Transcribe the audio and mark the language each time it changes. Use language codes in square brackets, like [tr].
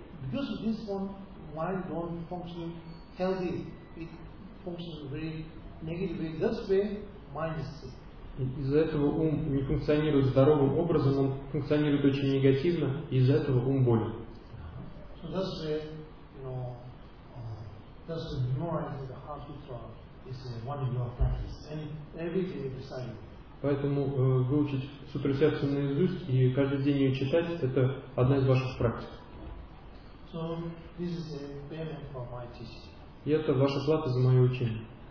[en] Because this one mind don't function healthy, it functions very negatively. That's why mind is sick. [ru] Из-за этого ум не функционирует здоровым образом, он функционирует очень негативно, и из-за этого ум болен. [en] So that's why, that's the memorizing the Heart Sutra is one of your practice, and every day beside you. [ru] Поэтому выучить сутру сердца наизусть и каждый день ее читать – это одна из ваших практик. [en] So, this is a payment for my teaching. [ru] И это ваша плата за мое учение.